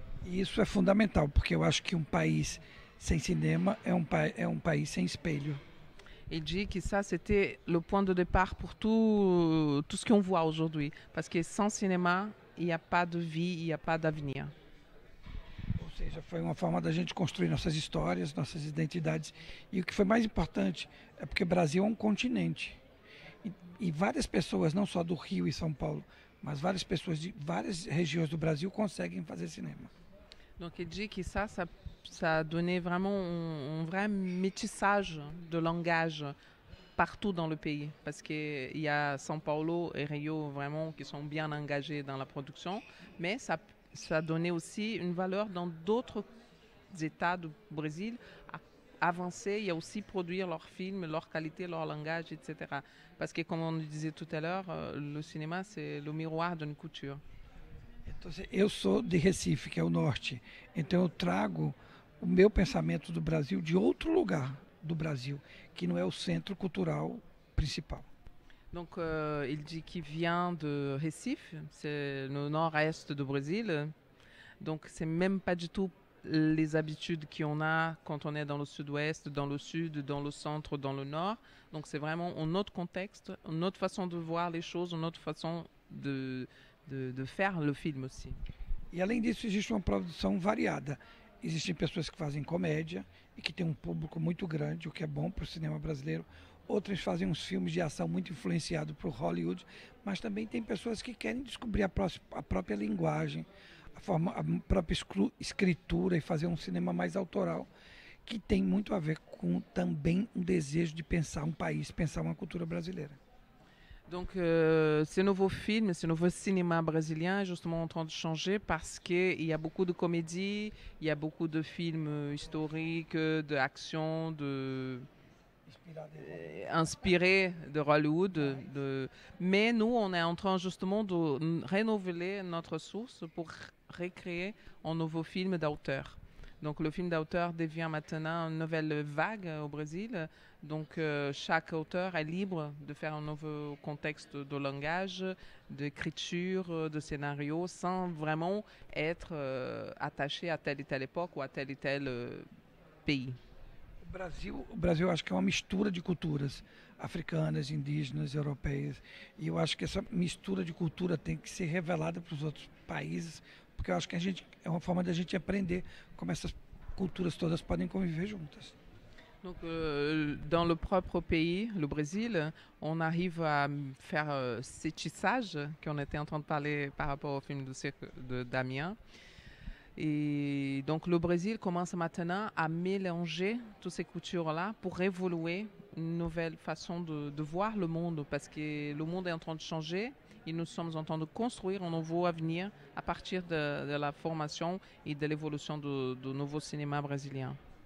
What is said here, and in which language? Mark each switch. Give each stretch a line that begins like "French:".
French: Et ça est fondamental parce que je pense qu'un pays. Sans cinéma, est un pays sans espelho. Il dit que ça, c'était le point de départ pour tout ce qu'on voit aujourd'hui. Parce que sans cinéma, il n'y a pas de vie, il n'y a pas d'avenir.
Portuguese: Ou seja, foi uma forma da gente construir nossas histórias, nossas identidades. E o que foi mais importante é porque o Brasil é um continente. E várias pessoas, não só do Rio e São Paulo, mas várias pessoas de várias regiões do Brasil conseguem fazer cinema.
French: Donc il dit que ça a donné vraiment un vrai métissage de langage partout dans le pays. Parce qu'il y a São Paulo et Rio vraiment qui sont bien engagés dans la production. Mais ça a donné aussi une valeur dans d'autres états du Brésil à avancer et à aussi produire leurs films, leur qualité, leur langage, etc. Parce que comme on le disait tout à l'heure, le cinéma c'est le miroir d'une culture.
Portuguese: Então, eu sou de Recife, que é o norte, então eu trago o meu pensamento do Brasil de outro lugar do Brasil, que não é o centro cultural principal. Então, ele diz que vem de Recife, c'est no nord-est do Brasil, então,
French: c'est même pas du tout les habitudes qu'on a quand on est dans le sud-ouest, dans le sud, dans le centre, dans le nord. Donc c'est vraiment un autre contexte, une autre façon de voir les choses, une autre façon de faire le film aussi.
Portuguese: E além disso, existe uma produção variada. Existem pessoas que fazem comédia e que têm um público muito grande, o que é bom para o cinema brasileiro. Outras fazem uns filmes de ação muito influenciados por Hollywood, mas também tem pessoas que querem descobrir a própria linguagem, a própria escritura e fazer um cinema mais autoral, que tem muito a ver com também um desejo de pensar um país, pensar uma cultura brasileira.
French: Donc, ce nouveau film, ce nouveau cinéma brésilien est justement en train de changer parce qu'il y a beaucoup de comédies, il y a beaucoup de films historiques, d'action, inspirés de Hollywood. Mais nous, on est en train justement de renouveler notre source pour recréer un nouveau film d'auteur. Donc, le film d'auteur devient maintenant une nouvelle vague au Brésil. Donc, chaque auteur est libre de faire un nouveau contexte de langage, d'écriture, de scénario, sans vraiment être attaché à telle et telle époque ou à tel et tel pays.
Portuguese: O Brasil, acho que é uma mistura de culturas africanas, indígenas, europeias. E eu acho que essa mistura de cultura tem que ser revelada para os outros países, porque eu acho que a gente é uma forma de a gente aprender como essas culturas todas podem conviver juntas.
French: Donc, dans le propre pays, le Brésil, on arrive à faire ce tissage qu'on était en train de parler par rapport au film de Damien. Et donc, le Brésil commence maintenant à mélanger toutes ces cultures-là pour évoluer une nouvelle façon de voir le monde, parce que le monde est en train de changer et nous sommes en train de construire un nouveau avenir à partir de la formation et de l'évolution du nouveau cinéma brésilien.